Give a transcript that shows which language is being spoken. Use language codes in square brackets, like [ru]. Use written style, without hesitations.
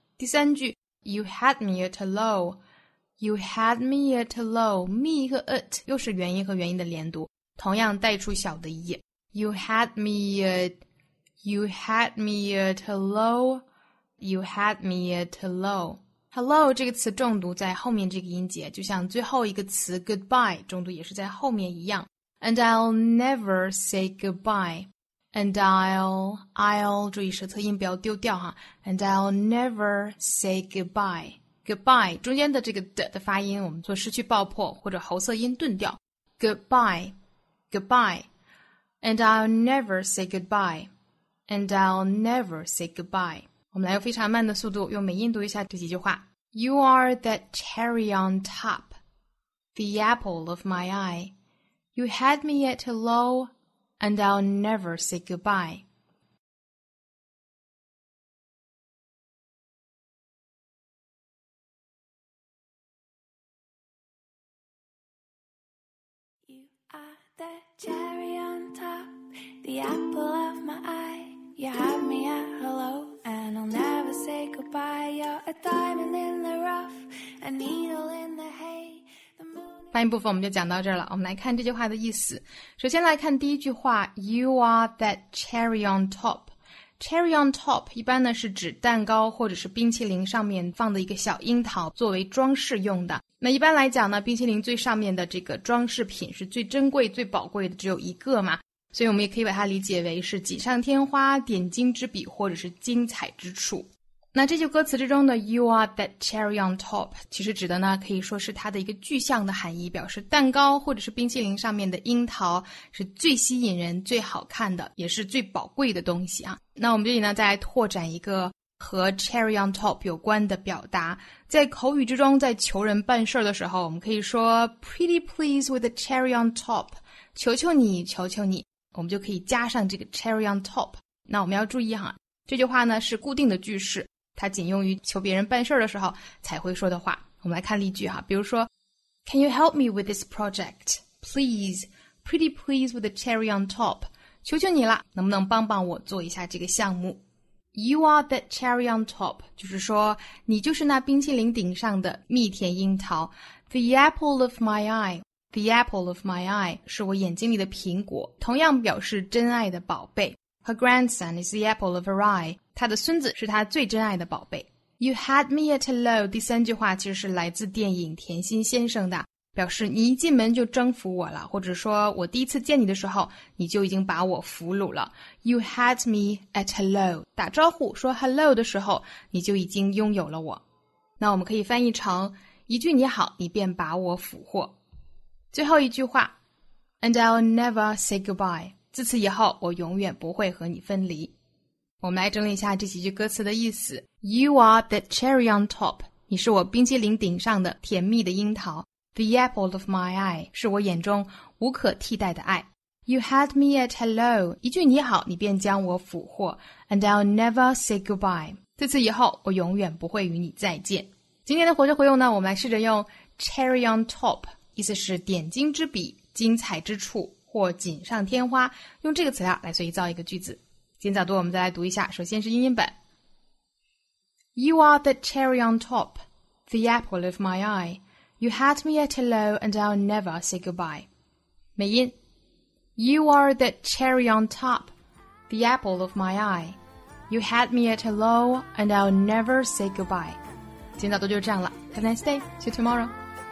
[zh] 第三句 [en] You had me at hello, [zh] me 和 at 又是元音和元音的连读，同样带出小的 e。 [en] You had me at hello。 [zh] Hello 这个词重读在后面这个音节，就像最后一个词 goodbye 重读也是在后面一样。 [en] And I'll never say goodbye. And I'll [zh] 注意舌侧音不要丢掉哈。 [en] And I'll never say goodbye. [zh] Goodbye 中间的这个的发音我们做失去爆破或者喉塞音顿掉。 [en] Goodbye. Goodbye. And I'll never say goodbye. And I'll never say goodbye. [zh] 我们来用非常慢的速度用美音读一下这几句话。 [en] You are the cherry on top, the apple of my eye. You had me at hello, and I'll never say goodbye. You are the cherry on top, the apple of my eye. You had me at hello, and I'll never say goodbye. You're a diamond in the rough, a needle in the hay. [zh] 翻译部分我们就讲到这儿了，我们来看这句话的意思。首先来看第一句话， [en] You are that cherry on top. [zh] Cherry on top 一般呢是指蛋糕或者是冰淇淋上面放的一个小樱桃作为装饰用的。那一般来讲呢，冰淇淋最上面的这个装饰品是最珍贵最宝贵的，只有一个嘛，所以我们也可以把它理解为是锦上添花，点睛之笔，或者是精彩之处。那这句歌词之中的 [en] You are that cherry on top [zh] 其实指的呢可以说是它的一个具象的含义，表示蛋糕或者是冰淇淋上面的樱桃是最吸引人最好看的也是最宝贵的东西啊。那我们这里呢再来拓展一个和 cherry on top 有关的表达，在口语之中在求人办事的时候我们可以说 [en] pretty please with a cherry on top， [zh] 求求你求求你，我们就可以加上这个 cherry on top。那我们要注意哈，这句话呢是固定的句式，它仅用于求别人办事的时候才会说的话。我们来看例句哈，比如说 [en] Can you help me with this project? Please, pretty please with a cherry on top. [zh] 求求你了，能不能帮帮我做一下这个项目。 [en] You are that cherry on top, [zh] 就是说你就是那冰淇淋顶上的蜜甜樱桃。 [en] The apple of my eye, [zh] the apple of my eye 是我眼睛里的苹果，同样表示真爱的宝贝。 [en] Her grandson is the apple of her eye. [zh] 她的孙子是她最珍爱的宝贝。 [en] You had me at hello. [zh] 第三句话其实是来自电影《甜心先生》的，表示你一进门就征服我了，或者说我第一次见你的时候，你就已经把我俘虏了。 [en] You had me at hello. [zh] 打招呼说 hello 的时候，你就已经拥有了我。那我们可以翻译成一句你好，你便把我俘获。最后一句话 ， [en] And I'll never say goodbye. [zh] 自此以后我永远不会和你分离。我们来整理一下这几句歌词的意思。 [en] You are the cherry on top， [zh] 你是我冰淇淋顶上的甜蜜的樱桃。 [en] The apple of my eye， [zh] 是我眼中无可替代的爱。 [en] You had me at hello， [zh] 一句你好你便将我俘获。 [en] And I'll never say goodbye， [zh] 自此以后我永远不会与你再见。今天的活学活用呢，我们来试着用 cherry on top， 意思是点睛之笔，精彩之处，或锦上添花，用这个词料来随意造一个句子。今天早读我们再来读一下，首先是英音本。 [en] You are the cherry on top, the apple of my eye. You had me at hello and I'll never say goodbye. [zh] 美音。 [en] You are the cherry on top, the apple of my eye. You had me at hello and I'll never say goodbye. [zh] 今天早读就是这样了。 [en] Have a nice day. See you tomorrow.